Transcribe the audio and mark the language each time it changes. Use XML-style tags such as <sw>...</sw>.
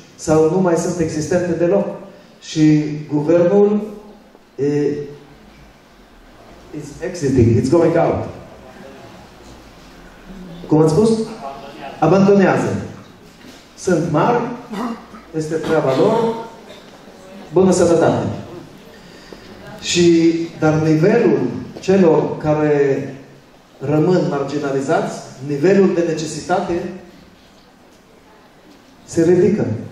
<ro>sau nu mai sunt existente deloc. Și guvernul</ro> <en>is exiting, it's going out.</en> <ro>Cum ați spus? Abandonează. Sunt mari, este treaba lor, bună sănătate. Și, dar nivelul celor care rămân marginalizați, nivelul de necesitate se ridică.</ro>